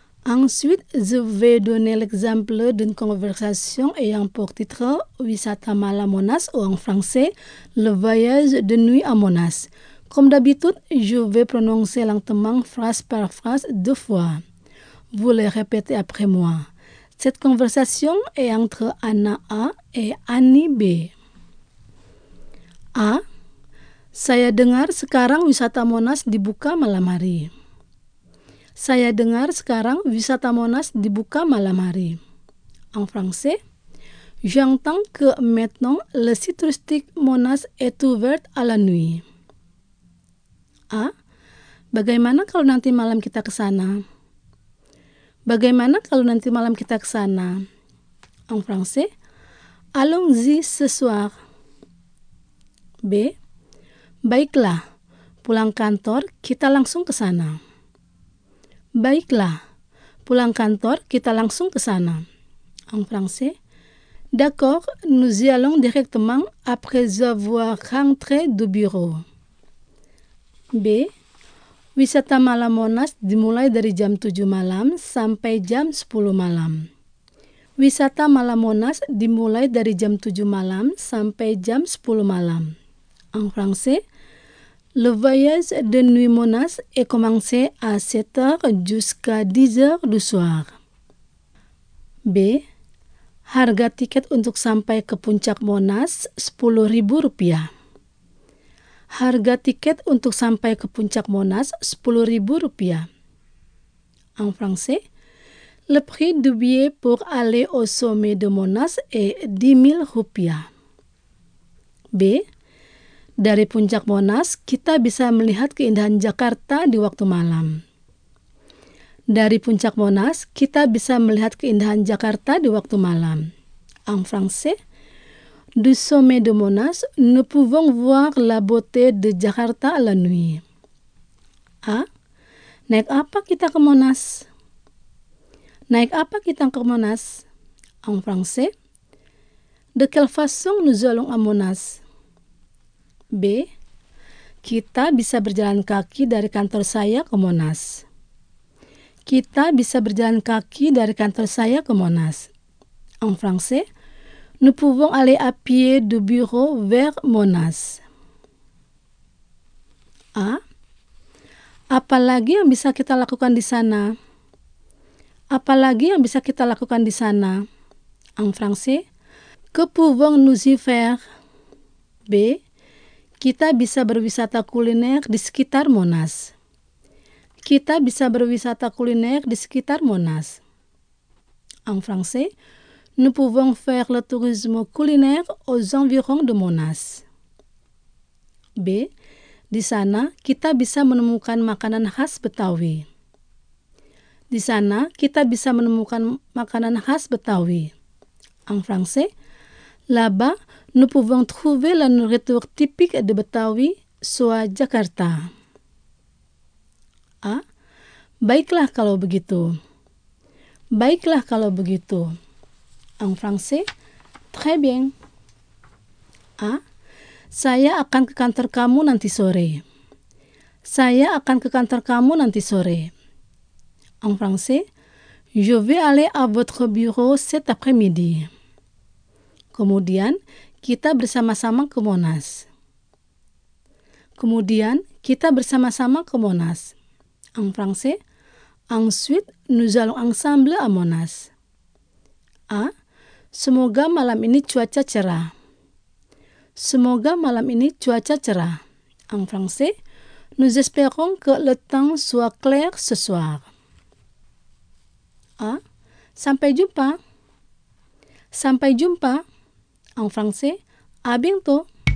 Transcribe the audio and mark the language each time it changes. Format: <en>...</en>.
<fr>Ensuite, je vais donner l'exemple d'une conversation ayant pour titre « Wisata malam Monas » ou en français « Le voyage de nuit à Monas ». Comme d'habitude, je vais prononcer lentement phrase par phrase deux fois. Vous les répétez après moi. Cette conversation est entre Anna A et Annie B. A.</fr> <id>Saya dengar sekarang wisata Monas dibuka malam hari. Saya dengar sekarang wisata Monas dibuka malam hari.</id> <fr>En français, j'entends que maintenant le site touristique Monas est ouvert à la nuit. A.</fr> <id>Bagaimana kalau nanti malam kita ke sana? Bagaimana kalau nanti malam kita ke sana?</id> <fr>En français, allons-y ce soir. B.</fr> <id>Baiklah, pulang kantor kita langsung ke sana. Baiklah, pulang kantor kita langsung ke sana.</id> <fr>En français, d'accord, nous y allons directement après avoir rentré du bureau. B.</fr> <id>Wisata malam Monas dimulai dari jam 7 malam sampai jam 10 malam. Wisata malam Monas dimulai dari jam 7 malam sampai jam 10 malam.</id> <fr>En français, le voyage de nuit Monas est commencé à 7h jusqu'à 10h du soir. B.</fr> <id>Harga tiket untuk sampai ke puncak Monas Rp10.000. Harga tiket untuk sampai ke puncak Monas Rp10.000.</id> <fr>En français, le prix du billet pour aller au sommet de Monas est Rp10.000.</fr> <id>B. Dari puncak Monas, kita bisa melihat keindahan Jakarta di waktu malam. Dari puncak Monas, kita bisa melihat keindahan Jakarta di waktu malam.</id> <fr>En français, du sommet de Monas, nous pouvons voir la beauté de Jakarta à la nuit. A.</fr> <id>Naik apa kita ke Monas? Naik apa kita ke Monas?</id> <fr>En français, de quelle façon nous allons à Monas? B.</fr> <id>Kita bisa berjalan kaki dari kantor saya ke Monas. Kita bisa berjalan kaki dari kantor saya ke Monas.</id> <fr>En français, nous pouvons aller à pied du bureau vers Monas. A.</fr> <id>Apalagi yang bisa kita lakukan di sana? Apalagi yang bisa kita lakukan di sana?</id> <fr>En français, que pouvons-nous y faire? B.</fr> <id>Kita bisa berwisata kuliner di sekitar Monas. Kita bisa berwisata kuliner di sekitar Monas.</id> <fr>En français, nous pouvons faire le tourisme culinaire aux environs de Monas. B.</fr> <id>Di sana, kita bisa menemukan makanan khas Betawi. Di sana, kita bisa menemukan makanan khas Betawi.</id> <fr>En français, là-bas, nous pouvons trouver la nourriture typique de Betawi, soit Jakarta.</fr> <id>A. Baiklah kalau begitu. Baiklah kalau begitu.</id> <fr>En français, très bien. A.</fr> <id>Saya akan ke kantor kamu nanti sore. Saya akan ke kantor kamu nanti sore.</id> <fr>En français, je vais aller à votre bureau cet après-midi.</fr> <id>Kemudian, kita bersama-sama ke Monas. Kemudian, kita bersama-sama ke Monas.</id> <fr>En français, ensuite, nous allons ensemble à Monas. A.</fr> <id>Semoga malam ini cuaca cerah. Semoga malam ini cuaca cerah.</id> <fr>En français, nous espérons que le temps soit clair ce soir.</fr> <id>A. Sampai jumpa. Sampai jumpa.</id> <fr>En français, à bientôt.</fr>